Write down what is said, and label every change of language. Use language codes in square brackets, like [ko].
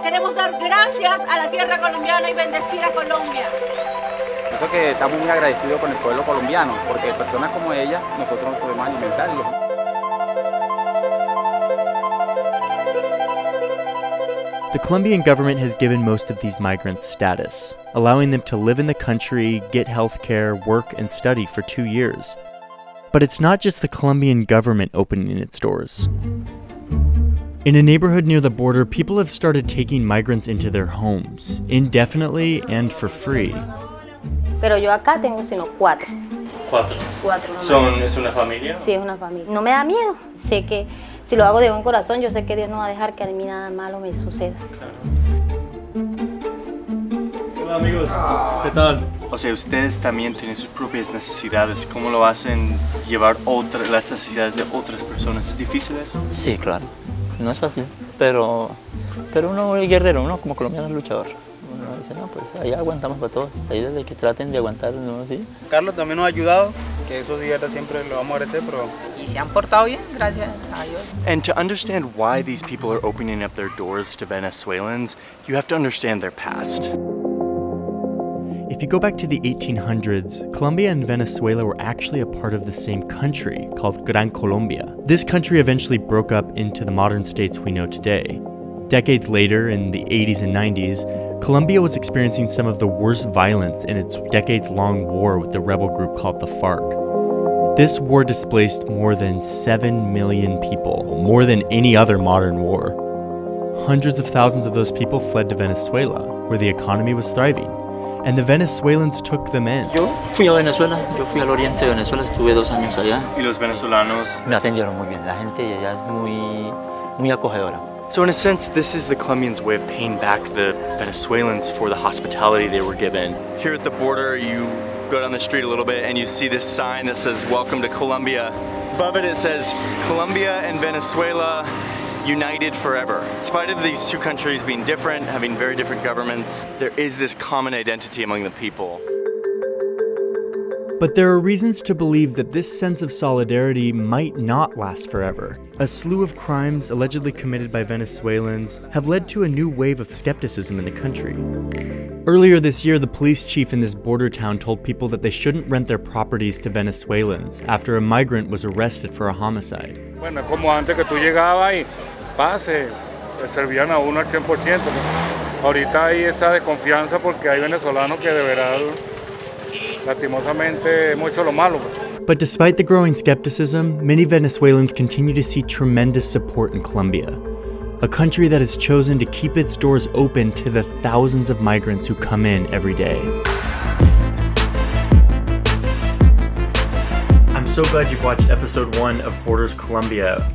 [es] Queremos dar gracias a la tierra colombiana y bendecir a Colombia. Pienso que estamos muy agradecidos con el pueblo colombiano, porque personas como ella, nosotros podemos alimentarlos. [en] The Colombian government has given most of these migrants status, allowing them to live in the country, get health care, work, and study for 2 years. But it's not just the Colombian government opening its doors. In a neighborhood near the border, people have started taking migrants into their homes, indefinitely and for free. [es] Pero yo acá tengo sino cuatro. Cuatro. Son, ¿es una familia? Sí, es una familia. No me da miedo. Sé que si lo hago de buen corazón, yo sé que Dios no va a dejar que a mí nada malo me suceda. Hola amigos, ¿qué tal? O sea, ustedes también tienen sus propias necesidades. ¿Cómo lo hacen llevar otras, las necesidades de otras personas? ¿Es difícil eso? Sí, claro. No es fácil, pero uno es guerrero, uno como colombiano es luchador. Uno dice, no, pues ahí aguantamos para todos. Ahí desde que traten de aguantar, ¿no? ¿Sí? Carlos también nos ha ayudado. [en] And to understand why these people are opening up their doors to Venezuelans, you have to understand their past. If you go back to the 1800s, Colombia and Venezuela were actually a part of the same country called Gran Colombia. This country eventually broke up into the modern states we know today. Decades later, in the 80s and 90s, Colombia was experiencing some of the worst violence in its decades-long war with the rebel group called the FARC. This war displaced more than 7 million people, more than any other modern war. Hundreds of thousands of those people fled to Venezuela, where the economy was thriving, and the Venezuelans took them in. [es] Yo fui a Venezuela, yo fui al oriente de Venezuela, estuve 2 años allá. Y los venezolanos me atendieron muy bien. La gente allá es muy, muy acogedora. [en] So in a sense, this is the Colombians' way of paying back the Venezuelans for the hospitality they were given. Here at the border, you go down the street a little bit and you see this sign that says, "Welcome to Colombia." Above it, it says, "Colombia and Venezuela united forever." In spite of these two countries being different, having very different governments, there is this common identity among the people. But there are reasons to believe that this sense of solidarity might not last forever. A slew of crimes allegedly committed by Venezuelans have led to a new wave of skepticism in the country. Earlier this year, the police chief in this border town told people that they shouldn't rent their properties to Venezuelans after a migrant was arrested for a homicide. [es] Bueno, como antes que tú llegabas y pase, te servían a uno al 100%. Ahorita hay esa desconfianza porque hay venezolanos que de verdad lastimosamente mucho lo malo. [en] But despite the growing skepticism, many Venezuelans continue to see tremendous support in Colombia, a country that has chosen to keep its doors open to the thousands of migrants who come in every day. I'm so glad you've watched episode 1 of Borders Colombia.